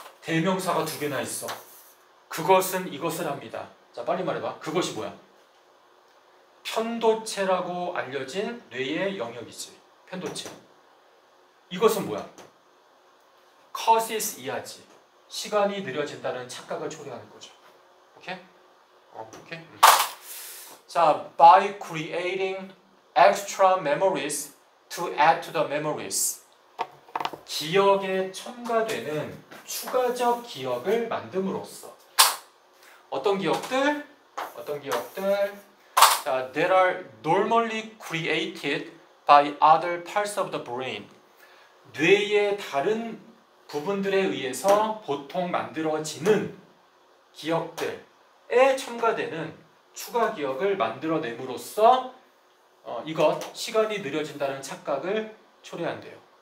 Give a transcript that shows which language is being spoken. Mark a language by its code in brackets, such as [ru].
[ko] 대명사가 두 개나 있어. 그것은 이것을 합니다. 자, 빨리 말해봐. 그것이 뭐야? 편도체라고 알려진 뇌의 영역이지. 편도체. 이것은 뭐야? causes 이하지. 시간이 느려진다는 착각을 초래하는 거죠. 오케이? 오케이? [en] 자, by creating extra memories to add to the memories. [ko] 기억에 첨가되는 추가적 기억을 만듦으로써. 어떤 기억들? 어떤 기억들? [en] 자, that are normally created by other parts of the brain. [ko] 뇌의 다른 부분들에 의해서 보통 만들어지는 기억들에 첨가되는 추가 기억을 만들어냄으로써 이것, 시간이 느려진다는 착각을 초래한대요.